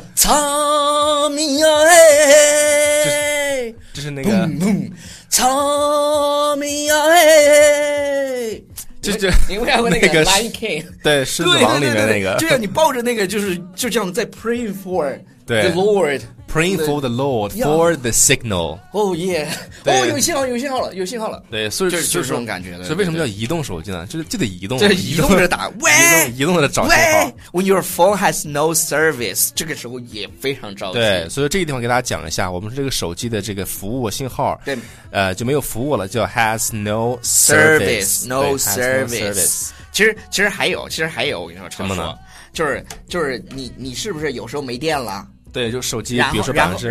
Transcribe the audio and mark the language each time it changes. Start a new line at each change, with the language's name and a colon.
Chinese: 苍蝇啊，哎，就是那个蹦蹦苍蝇啊，嘿，就你会看过那个 Lion King，对，狮子王里面那个，就像你抱着那个，就这样在
English: praying for the Lord， praying for the Lord for the signal，
Chinese: oh yeah， 哦、oh, 有信号了，对，所以就是这种感觉，所以为什么叫移动手机呢，就得移动，就移动着打，喂，移动着找信号，
English: when your phone has no service，
Chinese: 这个时候也非常着急，对，所以这个地方给大家讲一下，我们这个手机的这个服务信号，对，就没有服务了，叫
English: has no service， no service，
Chinese: 其实还有我跟你说什么呢，就是你是不是有时候没电了，对，就手机比如说百分之，